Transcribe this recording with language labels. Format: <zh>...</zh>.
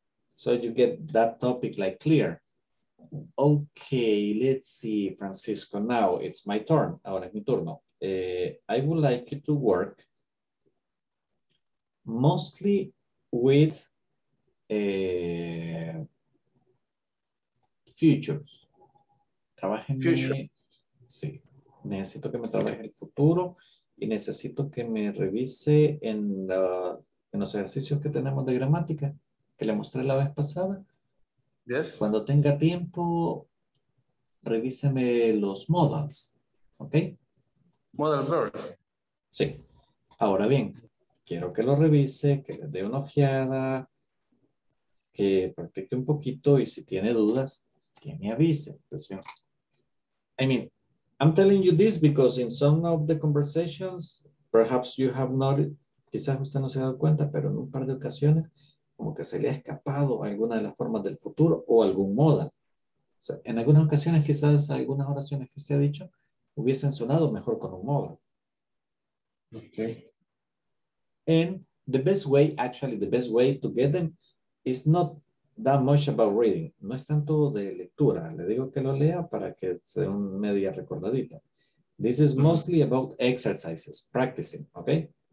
<en>So you get that topic like clear. Okay, let's see, Francisco, now it's my turn.</en> <es>Ahora es mi turno.</es> <en>I would like you to work mostly with futures.</en> <es>Trabajen</es> <en>future.</en> <es>Sí. Necesito que me trabaje el futuro y necesito que me revise en los ejercicios que tenemos de gramática que le mostré la vez pasada.</es> <en>Yes.</en> <es>Cuando tenga tiempo, revíseme los modals. Ok.</es> <en>Model verb.</en> <es>Sí. Ahora bien, quiero que lo revise, que le dé una ojeada, que practique un poquito y si tiene dudas, que me avise. Entonces,</es> <en>I mean, I'm telling you this because in some of the conversations, perhaps you have noted,</en> <es>quizás usted no se ha dado cuenta, pero en un par de ocasiones, como que se le ha escapado alguna de las formas del futuro o algún modal. O sea, en algunas ocasiones, quizás algunas oraciones que usted ha dicho hubiesen sonado mejor con un modal.</es> <en>Okay. And the best way, actually, the best way to get them is not that much about reading.</en> <es>No es tanto de lectura. Le digo que lo lea para que sea un media recordadita.</es> <en>This is mostly about exercises, practicing, okay?</en>